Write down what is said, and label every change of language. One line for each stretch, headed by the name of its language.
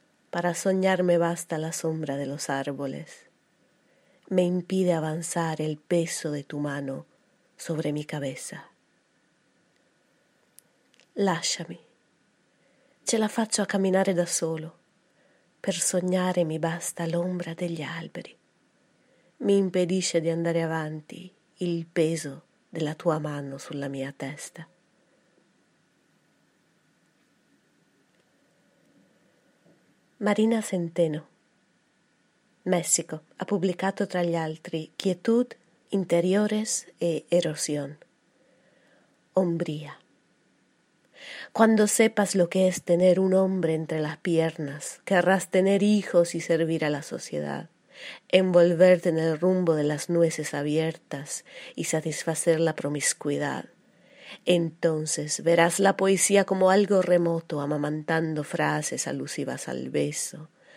Spanish: Para soñar me basta la sombra de los árboles. Me impide avanzar el peso de tu mano sobre mi cabeza.
Italian: Lasciami. Ce la faccio a camminare da solo. Per sognare mi basta l'ombra degli alberi. Mi impedisce di andare avanti il peso della tua mano sulla mia testa. Marina Centeno, Messico, ha pubblicato tra gli altri Quietud, Interiores e Erosión. Ombría.
Spanish: Cuando sepas lo que es tener un hombre entre las piernas, querrás tener hijos y servir a la sociedad, envolverte en el rumbo de las nueces abiertas y satisfacer la promiscuidad. Entonces verás la poesía como algo remoto, amamantando frases alusivas al beso.